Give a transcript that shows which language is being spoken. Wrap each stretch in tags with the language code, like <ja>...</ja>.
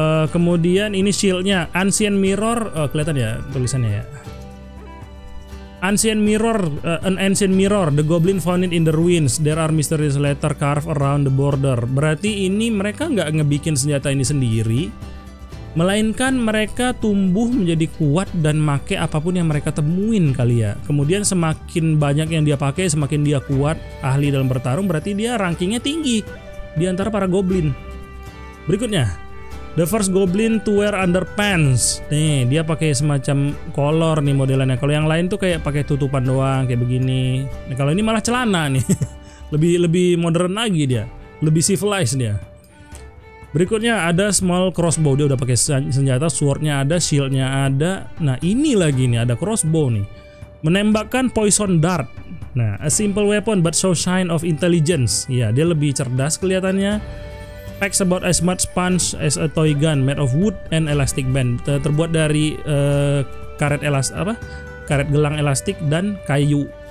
<id>Kemudian ini shield-nya Ancient Mirror, kelihatan ya tulisannya ya.</id> <en>An ancient mirror, the goblin found it in the ruins. There are mysterious letter carved around the border.</en> <id>Berarti ini mereka nggak ngebikin senjata ini sendiri, melainkan mereka tumbuh menjadi kuat dan make apapun yang mereka temuin kali ya. Kemudian semakin banyak yang dia pakai, semakin dia kuat, ahli dalam bertarung, berarti dia rankingnya tinggi di antara para goblin. Berikutnya,</id> <en>the first goblin to wear underpants.</en> <id>Nih, dia pakai semacam kolor nih modelannya. Kalau yang lain tuh kayak pakai tutupan doang kayak begini. Nah, kalau ini malah celana nih. Lebih modern lagi dia. Lebih civilized dia. Berikutnya ada small crossbow. Dia udah pakai senjata, sword-nya ada, shield-nya ada. Nah, ini lagi nih ada crossbow nih. Menembakkan poison dart.</id> <en>Nah, a simple weapon but show sign of intelligence.</en> <id>Iya, dia lebih cerdas kelihatannya.</id> <en>Packs about as much punch as a toy gun made of wood and elastic band.</en> <id>Terbuat dari karet gelang elastik dan kayu.</id>